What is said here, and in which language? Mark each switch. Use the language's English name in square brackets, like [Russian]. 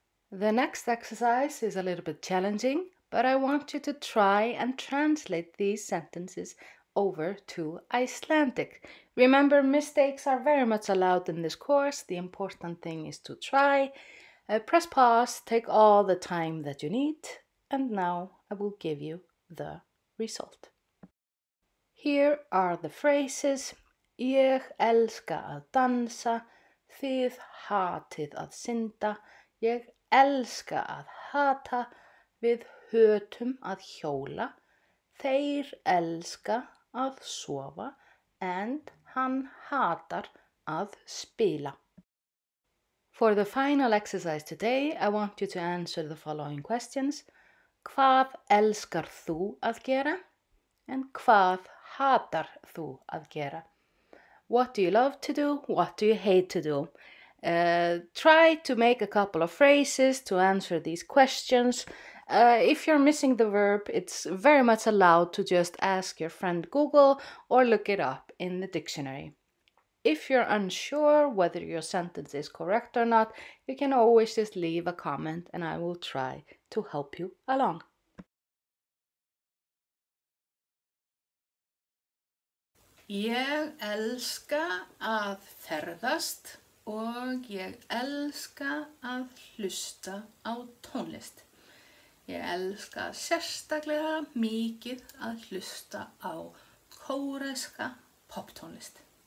[English] The next exercise is a little bit challenging, but I want you to try and translate these sentences over to Icelandic. Remember, mistakes are very much allowed in this course. The important thing is to try. Press pause, take all the time that you need, and now I will give you the result. Here are the phrases. [Icelandic] Ég elska að dansa, þið hatið að synda, ég elska að hata, við hötum að hjóla, þeir elska að sofa, and hann hatar að spila. [English] For the final exercise today, I want you to answer the following questions. [Icelandic] Hvað elskar þú að gera? And hvað hatar þú að gera? [English] What do you love to do? What do you hate to do? Try to make a couple of phrases to answer these questions. If you're missing the verb, it's very much allowed to just ask your friend Google or look it up in the dictionary. If you're unsure whether your sentence is correct or not, you can always just leave a comment and I will try to help you along. [Icelandic] Ég elska að ferðast og ég elska að hlusta á tónlist. Ég elska sérstaklega mikið að hlusta á kóreska poptónlist.